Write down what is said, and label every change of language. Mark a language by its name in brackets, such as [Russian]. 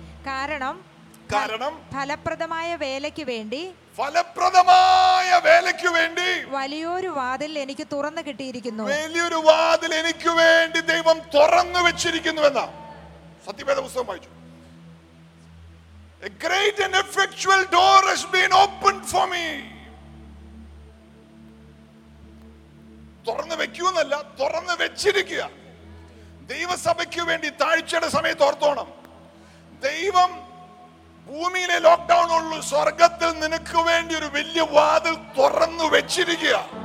[Malayalam] കാരണം ഫലപ്രദമായ വേലയ്ക്ക് വേണ്ടി, ഫലപ്രദമായ വേലയ്ക്ക് വേണ്ടി വലിയൊരു വാതിൽ എനിക്ക് തുറന്നു കിട്ടിയിരിക്കുന്നു. വലിയൊരു വാതിൽ എനിക്ക് വേണ്ടി ദൈവം തുറന്നു വെച്ചിരിക്കുന്നു എന്നാ സത്യവേദ പുസ്തകം വായിച്ചു. [English] A great and effectual door has been opened for me. [Malayalam] തുറന്നു വെക്കൂന്നല്ല, തുറന്നു വെച്ചിരിക്കുക. ദൈവസഭയ്ക്ക് വേണ്ടി താഴ്ചയുടെ സമയത്ത് ഓർത്തോണം, ദൈവം ഭൂമിയിലെ ലോക്ക്ഡൗൺ ഉള്ളു, സ്വർഗത്തിൽ നിനക്ക് വേണ്ടി ഒരു വലിയ വാതിൽ തുറന്നു വെച്ചിരിക്കുക.